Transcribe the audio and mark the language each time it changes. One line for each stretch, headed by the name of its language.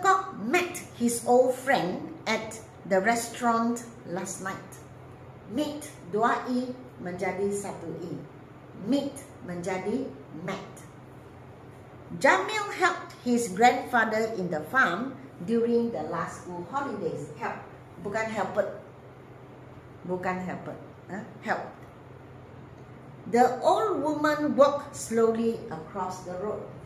English: Kok met his old friend at the restaurant last night.
Malay: Meet, dua I, menjadi satu I. Meet, menjadi met.
English: Jamil helped his grandfather in the farm during the last school holidays.
Malay: Help, bukan helped. Bukan helped, helped.
English: The old woman walked slowly across the road.